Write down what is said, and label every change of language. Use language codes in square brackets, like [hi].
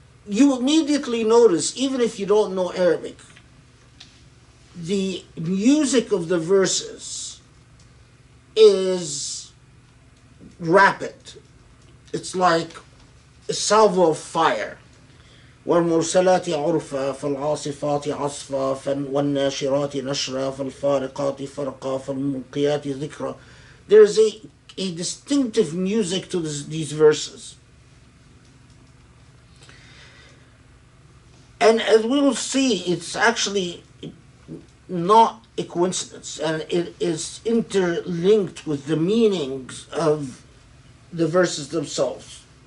[en] You immediately notice, even if you don't know Arabic, the music of the verses is rapid. It's like a salvo of fire. [ar] والمرسلات عرفا فالعاصفات عصفا والناشرات نشرا فالفارقات فرقا فالملقيات ذكرا. [en] There is a distinctive music to these verses. And as we will see, it's actually not a coincidence, and it is interlinked with the meanings of the verses themselves.